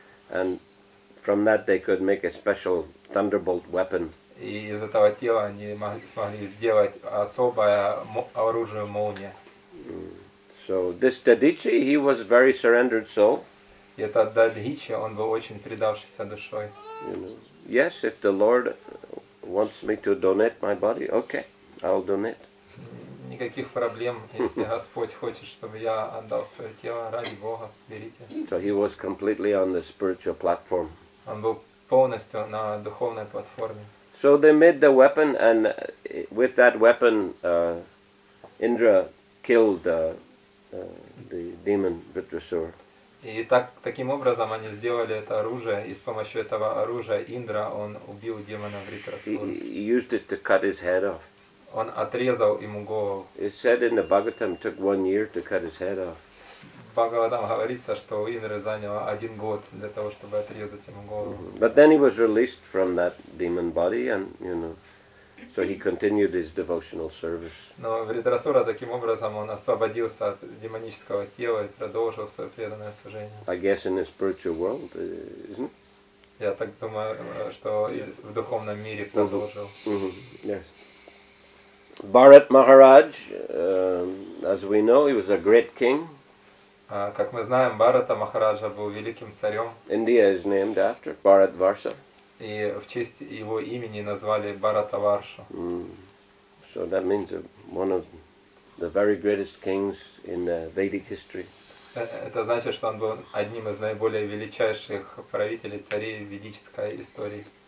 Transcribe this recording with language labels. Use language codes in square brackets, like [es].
[en] And from that they could make a special thunderbolt weapon. [ru] И из этого тела они смогли сделать особое оружие молния. [en] So this Dadichi, he was a very surrendered soul. [ru] И этот Дадичи, он был очень предавшийся душой. [en] Yes, if the Lord wants me to donate my body, okay, I'll donate. [ru] Никаких проблем, если Господь хочет, чтобы я отдал свое тело ради Бога, берите. [en] So he was completely on the spiritual platform. [ru] Он был полностью на духовной платформе. [en] So they made the weapon, and with that weapon, Indra killed the demon Ritrasura. [ru] И таким образом они сделали это оружие, и с помощью этого оружия Индра, он убил демона Ритрасуру. Он отрезал ему голову. [en] It said in the Bhagavatam took 1 year to cut his head off. [ru] В Бхагаватам говорится, что у Индры заняло 1 год для того, чтобы отрезать ему голову. [en] But then he was released from that demon body, and so he continued his devotional service. [ru] Но Ритрасура таким образом он освободился от демонического тела и продолжил свое преданное служение. [en] I guess in the spiritual world, isn't it? [ru] Я так думаю, что в духовном мире продолжил. [en] Yes. Bharat Maharaj, as we know, he was a great king. [ru] Как мы знаем, Бхарата Махараджа был великим царем. [en] India is named after Bharat Varsha. [ru] И в честь его имени назвали Бхаратаварша. [en] So that means one of the very greatest kings in the Vedic history. [ru] Это значит, что он был одним из наиболее величайших правителей, царей ведической истории.